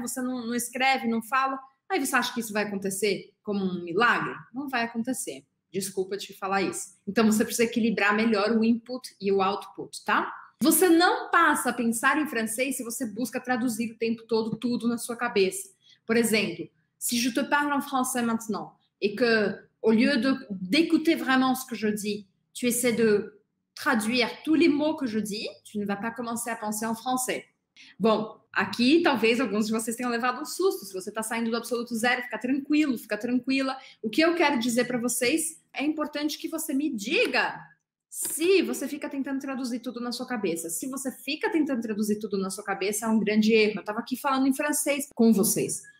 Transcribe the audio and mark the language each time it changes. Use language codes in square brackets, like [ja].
[pt] Você não escreve, não fala. Aí você acha que isso vai acontecer como um milagre? Não vai acontecer. Desculpa te falar isso. Então você precisa equilibrar melhor o input e o output, tá? Você não passa a pensar em francês se você busca traduzir o tempo todo tudo na sua cabeça. Por exemplo, [fr] si je te parle en français maintenant et que au lieu d'écouter vraiment ce que je dis, tu essaies de traduire tous les mots que je dis, tu ne vas pas commencer à penser en français. [pt] Bom, aqui talvez alguns de vocês tenham levado um susto. Se você está saindo do absoluto zero, fica tranquilo, fica tranquila. O que eu quero dizer para vocês é importante que você me diga. Se você fica tentando traduzir tudo na sua cabeça, se você fica tentando traduzir tudo na sua cabeça, é um grande erro. Eu estava aqui falando em francês com vocês.